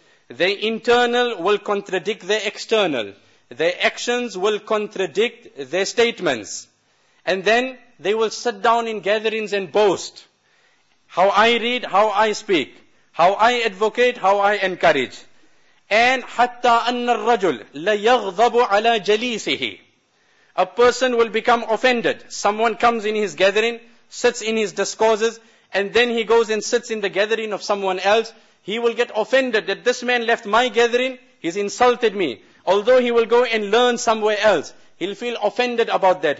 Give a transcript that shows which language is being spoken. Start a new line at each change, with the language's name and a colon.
English: Their internal will contradict their external. Their actions will contradict their statements. And then they will sit down in gatherings and boast. How I read, how I speak. How I advocate, how I encourage.
Arabic: And حَتَّى أَنَّ الرَّجُلْ لَيَغْضَبُ عَلَى جَلِيسِهِ.
English: A person will become offended. Someone comes in his gathering, sits in his discourses, and then he goes and sits in the gathering of someone else. He will get offended that this man left my gathering. He's insulted me. Although he will go and learn somewhere else, he'll feel offended about that.